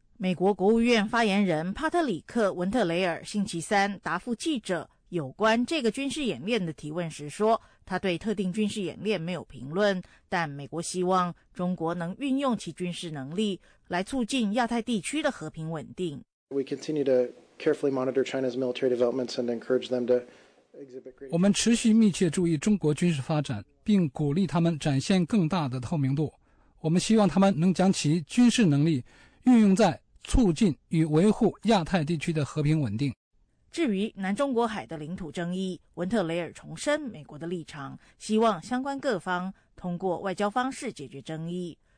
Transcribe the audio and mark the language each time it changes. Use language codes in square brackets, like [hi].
[zh] 美国国务院发言人帕特里克·文特雷尔星期三答复记者有关这个军事演练的提问时说，他对特定军事演练没有评论，但美国希望中国能运用其军事能力来促进亚太地区的和平稳定。 [en] We continue to carefully monitor China's military developments and encourage them to exhibit great. [zh] 我们持续密切注意中国军事发展，并鼓励他们展现更大的透明度。我们希望他们能将其军事能力运用在促进与维护亚太地区的和平稳定。至于南中国海的领土争议，文特雷尔重申美国的立场，希望相关各方通过外交方式解决争议。